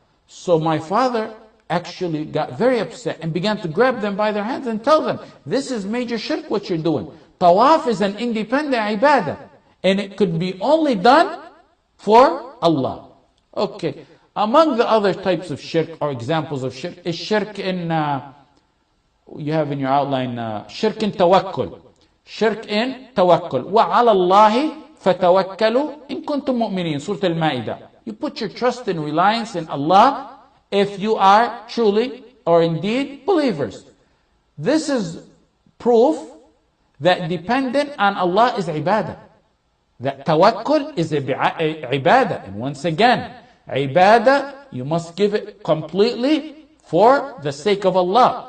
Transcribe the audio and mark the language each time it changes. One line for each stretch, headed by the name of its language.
English: So my father actually got very upset and began to grab them by their hands and tell them, this is major shirk what you're doing. Tawaf is an independent ibadah. And it could be only done for Allah. Okay. Among the other types of shirk or examples of shirk is shirk in, you have in your outline, shirk in tawakkul. Shirk in tawakkul.
Arabic: وَعَلَى اللَّهِ فَتَوَكَّلُوا إِن كُنْتُم مُؤْمِنِينَ Surah Al-Ma'idah.
English: You put your trust and reliance in Allah if you are truly or indeed believers. This is proof that dependent on Allah is ibadah. That tawakkul is ibadah. And once again, ibadah, you must give it completely for the sake of Allah.